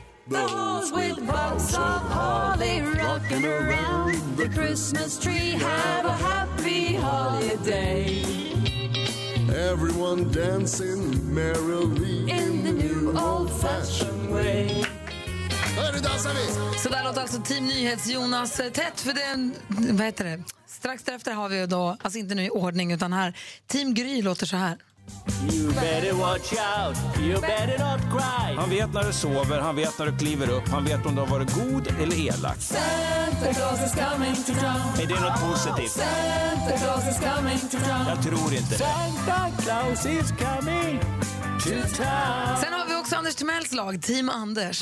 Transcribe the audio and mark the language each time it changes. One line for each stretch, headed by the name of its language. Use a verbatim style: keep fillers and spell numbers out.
English: Those with buds of holly, rocking around the Christmas tree, have a happy holiday. Everyone dancing merrily in the new old-fashioned way.
Swedish: Så där låter alltså Team Nyhets-Jonas tätt för den, vad heter det? Strax därefter har vi då, alltså inte nu i ordning utan här, Team Gry låter så här.
English: You better watch out, you better not cry.
Swedish: Han vet när du sover, han vet när du kliver upp. Han vet om du har varit god eller elak.
English: Santa Claus is coming to town.
Swedish: Är det något positivt?
English: Santa Claus is coming to town.
Swedish: Jag tror inte det.
English: Santa Claus is coming to town.
Swedish: Sen har vi också Anders Timells lag, Team Anders.